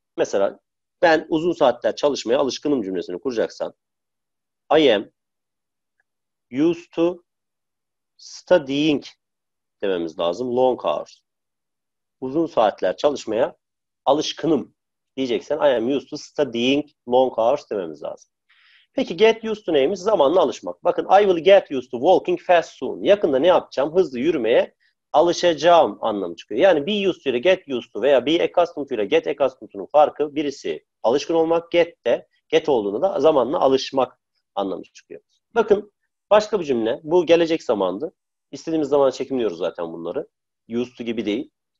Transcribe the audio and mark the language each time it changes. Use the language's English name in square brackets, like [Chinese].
[Turkish] Mesela ben uzun saatler çalışmaya alışkınım cümlesini kuracaksan [English] I am used to studying [Turkish] dememiz lazım. [English] Long hours. [Turkish] Uzun saatler çalışmaya alışkınım diyeceksen [English] I am used to studying long hours [Turkish] dememiz lazım. Peki get used to neymiş? Zamanla alışmak. Bakın [English] I will get used to walking fast soon. [Turkish] Yakında ne yapacağım? Hızlı yürümeye alışacağım anlamı çıkıyor. Yani be used to ile get used to veya be accustomed to ile get accustomed to'nun farkı birisi alışkın olmak, get de get olduğunda da zamanla alışmak anlamı çıkıyor. Bakın başka bir cümle. Bu gelecek zamandı. İstediğimiz zaman çekimliyoruz zaten bunları. Used to gibi değil.